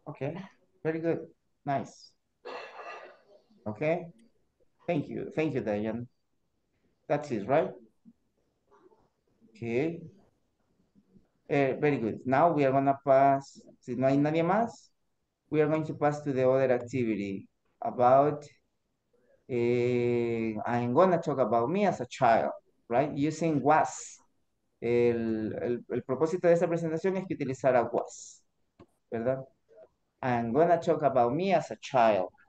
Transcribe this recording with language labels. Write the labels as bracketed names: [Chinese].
[English] Okay, very good. Nice. Okay. Thank you. Thank you, Diane. That's it, right? Okay. Very good. Now we are going to pass. [Spanish] Si no hay nadie más, [English] we are going to pass to the other activity about, I'm going to talk about me as a child, right? Using was. [Spanish] El propósito de esta presentación es que utilizara was, ¿verdad? [English] I'm going to talk about me as a child.